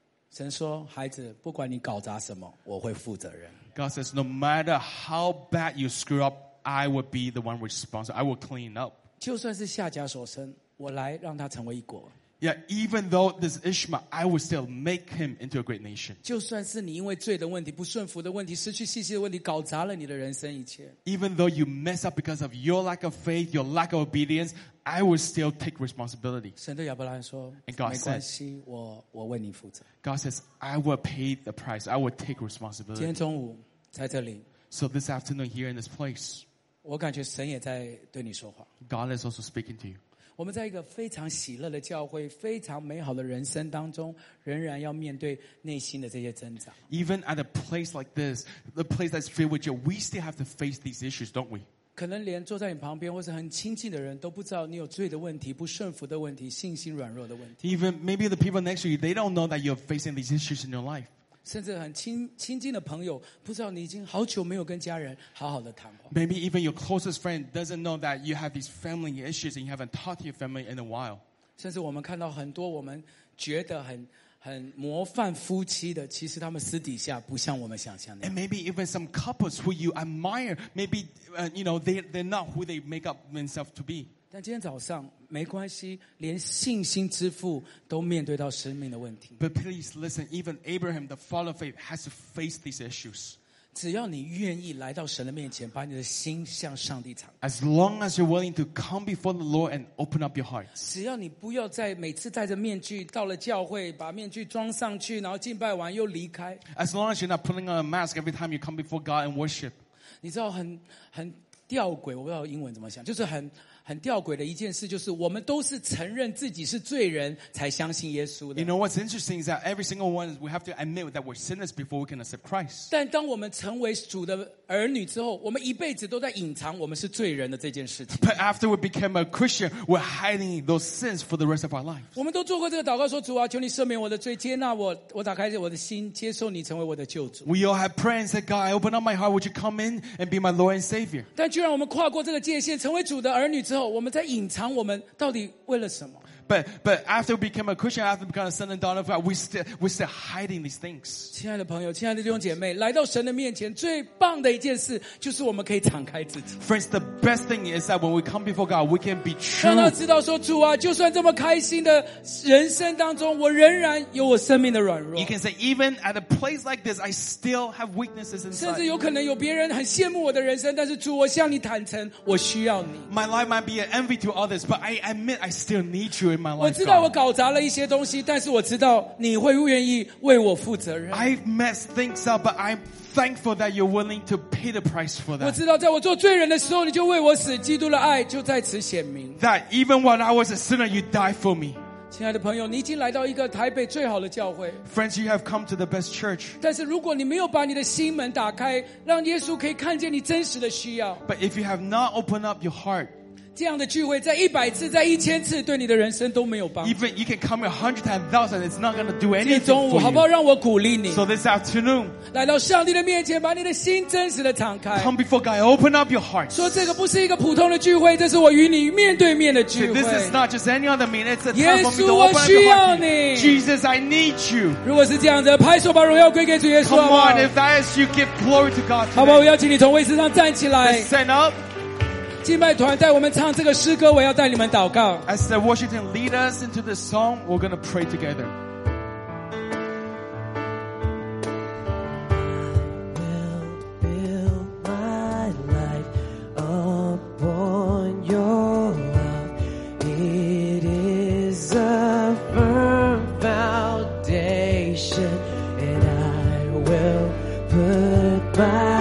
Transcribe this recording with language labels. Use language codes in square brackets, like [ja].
[zh] 神说，孩子，不管你搞砸什么，我会负责任。 [en] God says, no matter how bad you screw up, I will be the one responsible. I will clean up. [zh] 就算是夏甲所生，我来让他成为一国。 [en] Yeah, even though this Ishmael, I will still make him into a great nation. [zh] 就算是你因为罪的问题、不顺服的问题、失去信心的问题，搞砸了你的人生一切。 [en] Even though you mess up because of your lack of faith, your lack of obedience, I will still take responsibility. [zh] 神对亚伯拉罕说， [en] And God [zh] 没关系，我为你负责。 [en] God says, I will pay the price. I will take responsibility. [zh] 今天中午在这里。 [en] So this afternoon here in this place, [zh] 我感觉神也在对你说话。 [en] God is also speaking to you. [zh] 我们在一个非常喜乐的教会，非常美好的人生当中，仍然要面对内心的这些挣扎。 [en] Even at a place like this, the place that's filled with joy, we still have to face these issues, don't we? [zh] 可能连坐在你旁边或是很亲近的人都不知道你有罪的问题、不顺服的问题、信心软弱的问题。 [en] Even maybe the people next to you, they don't know that you're facing these issues in your life. [zh] 甚至很亲近的朋友不知道你已经好久没有跟家人好好的谈话。 [en] Maybe even your closest friend doesn't know that you have these family issues and you haven't talked to your family in a while. [zh] 甚至我们看到很多我们觉得很模范夫妻的，其实他们私底下不像我们想象的。 [en] And maybe even some couples who you admire, maybe you know they're not who they make up themselves to be. [zh] 但今天早上没关系，连信心之父都面对到生命的问题。 [en] But please listen, even Abraham, the father of faith, has to face these issues. [zh] 只要你愿意来到神的面前，把你的心向上帝敞开。 [en] As long as you're willing to come before the Lord and open up your hearts. [zh] 只要你不要再每次戴着面具到了教会，把面具装上去，然后敬拜完又离开。 [en] As long as you're not putting on a mask every time you come before God and worship. [zh] 你知道很吊诡，我不知道英文怎么讲，就是很吊诡的一件事，就是我们都是承认自己是罪人才相信耶稣的。 [en] You know what's interesting is that every single one we have to admit that we're sinners before we can accept Christ. [zh] 但当我们成为主的儿女之后，我们一辈子都在隐藏我们是罪人的这件事情。 [en] But after we became a Christian, we're hiding those sins for the rest of our life. [zh] 我们都做过这个祷告，说主啊，求你赦免我的罪，接纳我，我打开我的心，接受你成为我的救主。 [en] We all have prayed and said, God, I open up my heart. Would you come in and be my Lord and Savior? [zh] 但居然我们跨过这个界限，成为主的儿女之后。我们在隐藏我们到底为了什么？ [en] But after we became a Christian, after we became a son and daughter of God, we still hiding these things. [zh] 亲爱的朋友，亲爱的弟兄姐妹，来到神的面前，最棒的一件事就是我们可以敞开自己。 [en] Friends, the best thing is that when we come before God, we can be true. [zh] 让他知道说，主啊，就算这么开心的人生当中，我仍然有我生命的软弱。 [en] You can say, even at a place like this, I still have weaknesses inside. [zh] 甚至有可能有别人很羡慕我的人生，但是主，我向你坦诚，我需要你。 [en] My life might be an envy to others, but I admit I still need you. [zh] 我知道我搞砸了一些东西，但是我知道你会愿意为我负责任。 [en] I've messed things up, but I'm thankful that you're willing to pay the price for that. [zh] 我知道在我做罪人的时候，你就为我死，基督的爱就在此显明。 [en] That even when I was a sinner, you died for me. [zh] 亲爱的朋友，你已经来到一个台北最好的教会。 [en] Friends, you have come to the best church. [zh] 但是如果你没有把你的心门打开，让耶稣可以看见你真实的需要。 [en] But if you have not opened up your heart. [zh] 这样的聚会在一百次在一千次对你的人生都没有帮助。 [en] Even you can come here 100 times, 1,000, it's not going to do anything for you. [zh] 中午好不好让我鼓励你。 [en] So this afternoon, [zh] 来到上帝的面前把你的心真实的敞开。 [en] Come before God, open up your heart. [zh] 说这个不是一个普通的聚会，这是我与你面对面的聚会。 [en] This is not just any other meeting, it's a time for me to open up your heart. Jesus, I need you. [zh] 如果是这样子，拍手把荣耀归给主耶稣。 [en] Come on, if that is you, give glory to God. [zh] 好不好，我邀请你从位置上站起来。 [en] Stand up. [zh] 敬拜团带我们唱这个诗歌，我要带你们祷告。 [en] As the worship team lead us into this song, we're going to pray together. I will build my life upon your love. It is a firm foundation, and I will put my.